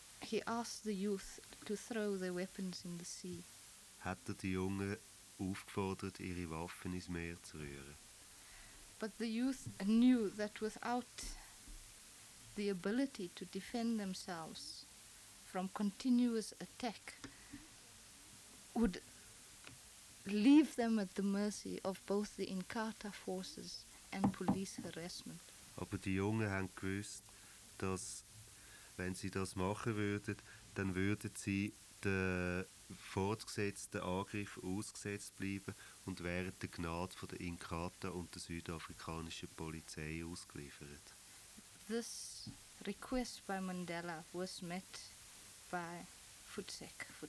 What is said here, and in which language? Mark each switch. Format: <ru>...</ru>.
<en>he asked the youth to throw their weapons in the sea.</en> <de>Hat er die Jungen aufgefordert, ihre Waffen ins Meer zu rühren.</de> <en>But the youth knew that without the ability to defend themselves from continuous attack would leave them at the mercy of both the Inkatha forces and police harassment.</en> <de>Aber die Jungen haben gewusst, dass wenn sie das machen würden, dann würden sie den fortgesetzten Angriff ausgesetzt bleiben und wären der Gnade von der Inkatha und der südafrikanischen Polizei ausgeliefert.</de> <en>This request by Mandela was met by Fucek.</en>